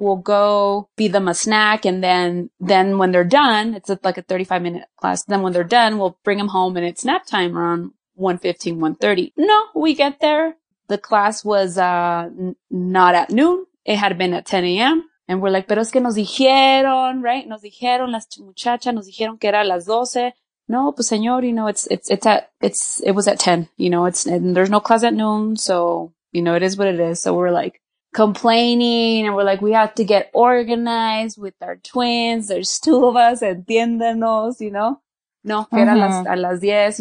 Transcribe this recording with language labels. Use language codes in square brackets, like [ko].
[en] We'll go be them a snack. And then when they're done, it's like a 35 minute class. Then when they're done, we'll bring them home and it's nap time around 1:15, 1:30. No, we get there. The class was, not at noon. It had been at 10 a.m. And we're like, [es] pero es que nos dijeron, [en] right? [es] Nos dijeron las muchachas, nos dijeron que era las 12. No, pues señor, [en] you know, it was at 10, you know, and there's no class at noon. So, you know, it is what it is. So we're like complaining and we're like, we have to get organized with our twins. There's two of us, [es] entiéndenos, [en] you know? [es] No, que era a las 10.